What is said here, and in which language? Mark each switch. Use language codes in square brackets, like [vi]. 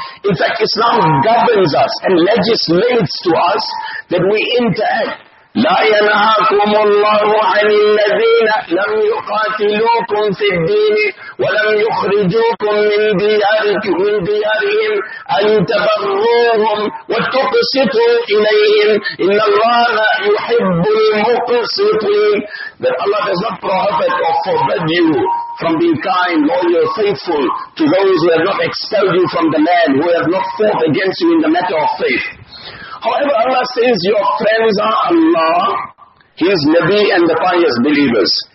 [en] In fact, Islam governs us and legislates to us that we interact. [ar] لا ينهاكم الله عن الذين لم يقاتلوكم في الدين ولم يخرجوكم من ديارهم أن تبروهم وتقسطوا إليهم إن الله يحب المقسطين. [en] That Allah does not prohibit or forbid you from being kind, loyal, faithful to those who have not expelled you from the land, who have not fought against you in the matter of faith. However, Allah says your friends are Allah, His Nabi, and the pious believers.